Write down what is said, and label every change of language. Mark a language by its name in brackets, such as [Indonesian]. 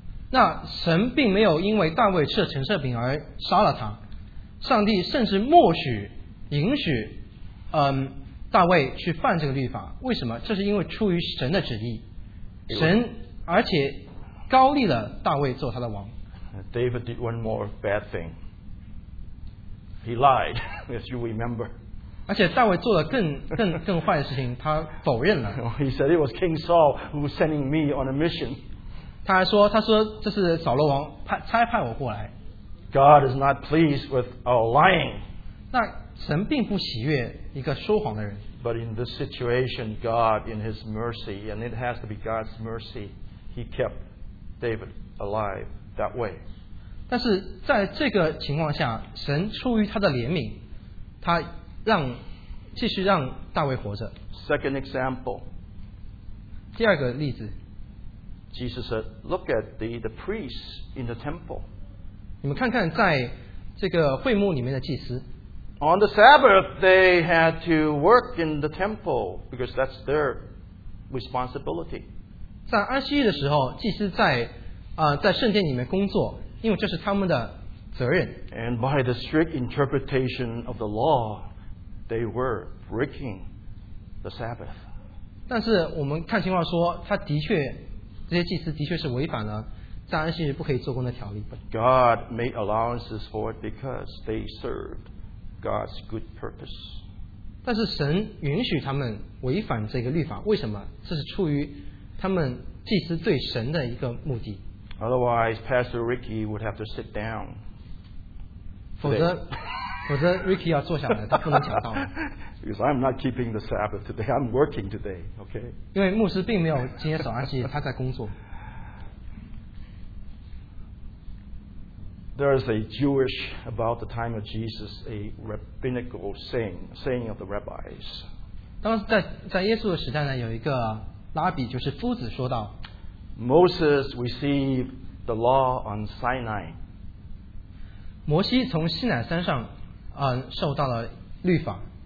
[Chinese] 那神并没有因为大卫吃了陈设饼而杀了他。上帝甚至默许、允许大卫去犯这个律法，为什么？这是因为出于神的旨意，神而且高立了大卫做他的王。 [English] David did one more bad thing. He lied, as you remember. [Chinese] 而且大卫做了更坏的事情，他否认了。 [English] He said it was King Saul who was sending me on a mission. [Chinese] 他说这是扫罗王差派我过来。 [English] God is not pleased with our lying. [Chinese] 那神并不喜悦一个说谎的人。 [English] But in this situation, God, in His mercy, and it has to be God's mercy, He kept David alive that way. [Chinese] 但是在这个情况下，神出于他的怜悯，他继续让大卫活着。 [English] Second example. [Chinese] 第二个例子。 [English] Jesus said, "Look at the priests in the temple." [Chinese] 你们看看在这个会幕里面的祭司。 [English] On the Sabbath, they had to work in the temple because that's their responsibility. [Chinese] 在安息日的时候，祭司在在圣殿里面工作，因为这是他们的责任。 [English] And by the strict interpretation of the law, they were breaking the Sabbath. [Chinese] 但是我们看情况说，他的确，这些祭司的确是违反了在安息日不可以做工的条例。 [English] But God made allowances for it because they served God's good purpose. [Chinese] 但是神允许他们违反这个律法，为什么？这是出于他们祭司对神的一个目的。 [English] Otherwise, Pastor Ricky would have to sit down. [Chinese] 否则 Ricky 要坐下来，他不能讲道。 [English] Because I'm not keeping the Sabbath today. I'm working today. Okay. [Chinese] 因为牧师并没有今天守安息，他在工作。 [English] There is a Jewish, about the time of Jesus, a rabbinical saying of the rabbis. [Chinese] 当时在耶稣的时代呢，有一个拉比，就是夫子说道。 [English] Moses received the law on Sinai. [Chinese] 摩西从西乃山上受到了律法。